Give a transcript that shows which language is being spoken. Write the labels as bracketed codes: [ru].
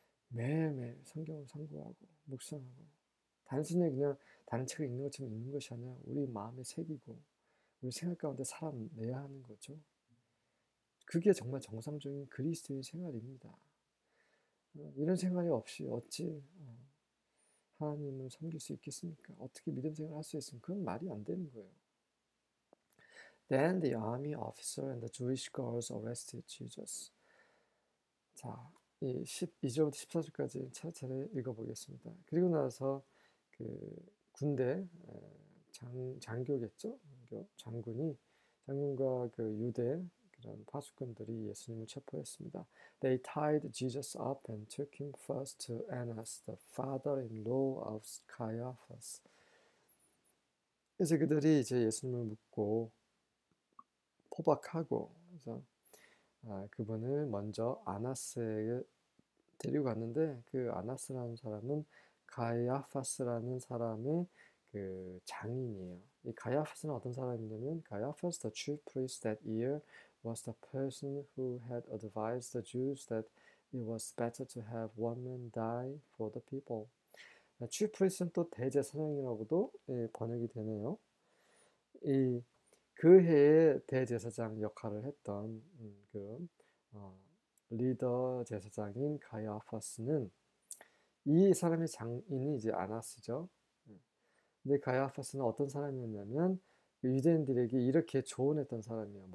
[ko] 매일매일 성경을 상고하고 묵상하고 단순히 그냥 다른 책을 읽는 것처럼 읽는 것이 아니라 우리 마음에 새기고 우리 생각 가운데 살아내야 하는 거죠. 그게 정말 정상적인 그리스도인 생활입니다. 이런 생활이 없이 어찌 하나님을 섬길 수 있겠습니까? 어떻게 믿음 생활을 할수 있으면 그건 말이 안 되는 거예요. [en] Then the army officer and the Jewish girls arrested Jesus. [ko] 자, 이 12절부터 14절까지 차례차례 읽어보겠습니다. 그리고 나서 그 군대 장교겠죠? 장군이 장군과 그 유대 그런 파수꾼들이 예수님을 체포했습니다. [en] They tied Jesus up and took him first to Annas, the father-in-law of Caiaphas. [ko] 이제 그들이 이제 예수님을 묻고 포박하고 그래서 그분을 먼저 아나스에게 데리고 갔는데 그 아나스라는 사람은 가이아파스라는 사람의 그 장인이에요. 이 가이아파스는 어떤 사람이냐면 [en] 가이아파스, the chief priest that year was the person who had advised the Jews that it was better to have one man die for the people. [ko] chief priest는 또 대제사장이라고도 번역이 되네요. 이그 해에 대제사장 역할을 했던 그 리더 제사장인 가이아파스는 이 사람의 장인이 이제 아나스죠. 근데 가이아파스는 어떤 사람이었냐면 유대인들에게 이렇게 조언했던 사람이에요.